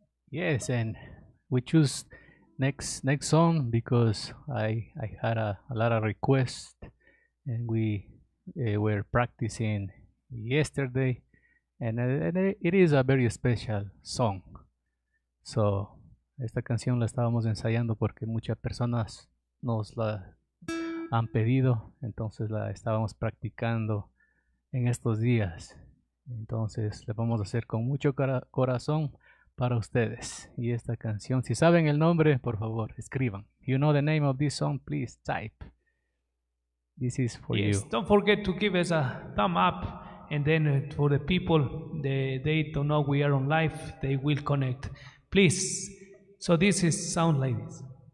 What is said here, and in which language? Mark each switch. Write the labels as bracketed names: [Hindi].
[English] Yes, and we choose next song because I had a lot of requests and we were practicing yesterday, and it is a very special song. [Spanish] So esta canción la estábamos ensayando porque muchas personas nos la han pedido, entonces la estábamos practicando en estos días. Entonces la vamos a hacer con mucho corazón para ustedes. Y esta canción, si saben el nombre, por favor, escriban. [English] If you know the name of this song, please type. This is for yes, you. Don't forget to give us a thumb up. And then for the people, they don't know we are on live, they will connect. Please. So this is sound like this.